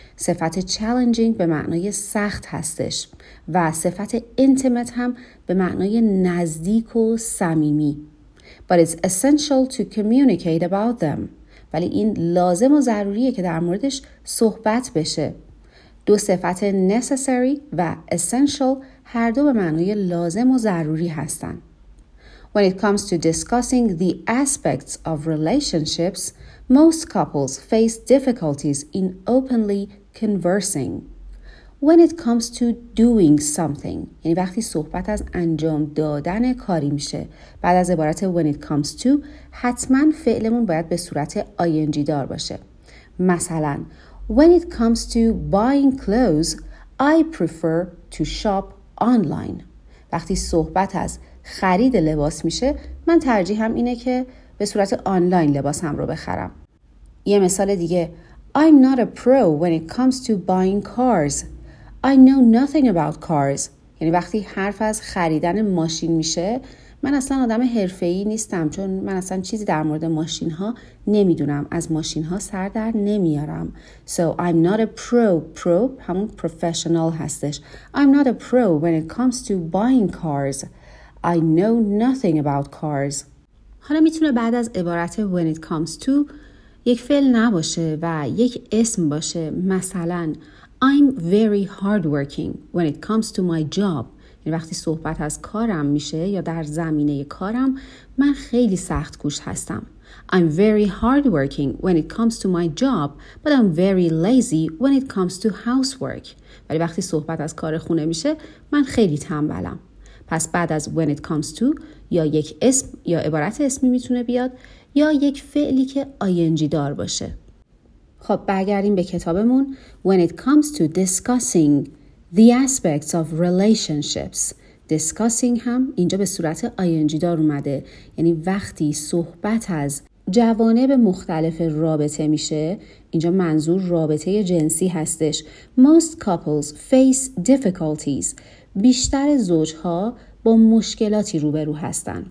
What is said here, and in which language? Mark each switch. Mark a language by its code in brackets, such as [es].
[fa] صفت challenging به معنای سخت هستش و صفت intimate هم به معنای نزدیک و صمیمی. [en] But it's essential to communicate about them. [fa] ولی این لازم و ضروریه که در موردش صحبت بشه. دو صفت necessary و essential هر دو به معنی لازم و ضروری هستن. [en] When it comes to discussing the aspects of relationships, most couples face difficulties in openly conversing. When it comes to doing something, [fa] یعنی وقتی صحبت از انجام دادن کاری میشه، بعد از عبارت [en] when it comes to [fa] حتما فعلمون باید به صورت ing دار باشه. مثلا [en] when it comes to buying clothes, I prefer to shop online. [fa] وقتی صحبت از خرید لباس میشه، من ترجیحم اینه که به صورت آنلاین لباسم رو بخرم. یه مثال دیگه، [en] I'm not a pro when it comes to buying cars. I know nothing about cars. [fa] یعنی وقتی حرف از خریدن ماشین میشه، من اصلا آدم حرفه‌ای نیستم، چون من اصلا چیزی در مورد ماشین‌ها نمیدونم، از ماشین‌ها سر در نمیارم. [en] So I'm not a pro. Pro [fa] همون [en] professional [fa] هستش. [en] I'm not a pro when it comes to buying cars. I know nothing about cars. [fa] حالا میتونه بعد از عبارت [en] when it comes to [fa] یک فعل نباشه و یک اسم باشه، مثلا [en] I'm very hardworking when it comes to my job. [fa] یعنی وقتی صحبت از کارم میشه یا در زمینه کارم، من خیلی سخت کوش هستم. [en] I'm very hardworking when it comes to my job, but I'm very lazy when it comes to housework. [fa] ولی وقتی صحبت از کار خونه میشه، من خیلی تنبلم. پس بعد از [en] when it comes to [fa] یا یک اسم یا عبارت اسمی میتونه بیاد یا یک فعلی که ing دار باشه. خب برگردیم به کتابمون. [en] When it comes to discussing the aspects of relationships. [fa] Discussing هم اینجا به صورت ing دار اومده. یعنی وقتی صحبت از جوانب مختلف رابطه میشه، اینجا منظور رابطه جنسی هستش. [en] Most couples face difficulties. [fa] بیشتر زوجها با مشکلاتی روبرو هستن.